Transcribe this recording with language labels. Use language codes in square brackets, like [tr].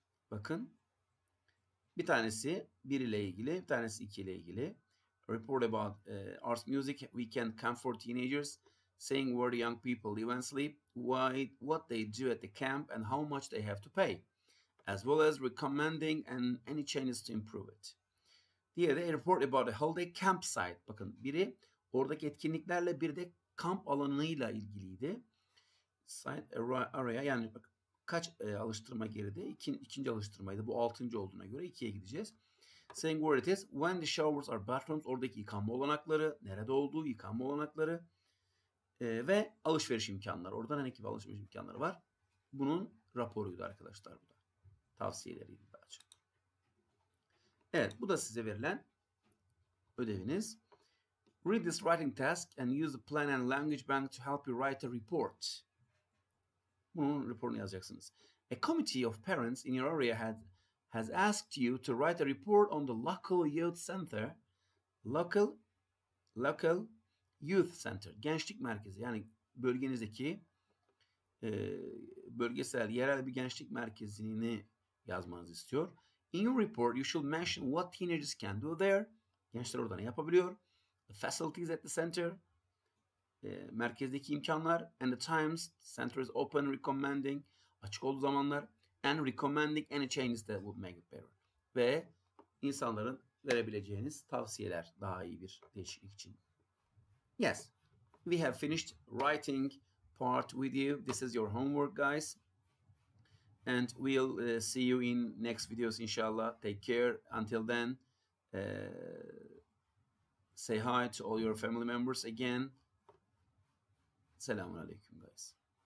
[tr] Bakın, bir tanesi 1 ile ilgili, bir tanesi 2 ile ilgili. [en] Report about arts music weekend camp for teenagers, saying where the young people live and sleep, what they do at the camp and how much they have to pay, as well as recommending and any changes to improve it. [tr] Diğeri de [en] a report about a holiday campsite. [tr] Bakın, biri oradaki etkinliklerle, bir de kamp alanıyla ilgiliydi. Site araya, yani kaç alıştırma geride? İkinci alıştırmaydı. Bu altıncı olduğuna göre ikiye gideceğiz. [en] Saying where it is, when the showers are bathrooms, [tr] oradaki yıkanma olanakları, nerede olduğu yıkanma olanakları ve alışveriş imkanları. Oradan hani ekip alışveriş imkanları var. Bunun raporuydu arkadaşlar bu da. Tavsiyeleriydi daha çok. Evet, bu da size verilen ödeviniz. [en] Read this writing task and use the plan and language bank to help you write a report. [tr] Bunun raporunu yazacaksınız. [en] A committee of parents in your area has asked you to write a report on the local youth center. Local youth center. [tr] Gençlik merkezi. Yani bölgenizdeki bölgesel, yerel bir gençlik merkezini yazmanızı istiyor. [en] In your report, you should mention what teenagers can do there. [tr] Gençler orada ne yapabiliyor? [en] The facilities at the center. [tr] Merkezdeki imkanlar. [en] And the times center is open, recommending. [tr] Açık olduğu zamanlar. [en] And recommending any changes that would make it better. [tr] Ve insanların verebileceğiniz tavsiyeler daha iyi bir değişiklik için. [en] Yes, we have finished writing part with you. This is your homework, guys. And we'll see you in next videos, inshallah. Take care. Until then, say hi to all your family members again. Selamun aleyküm, guys.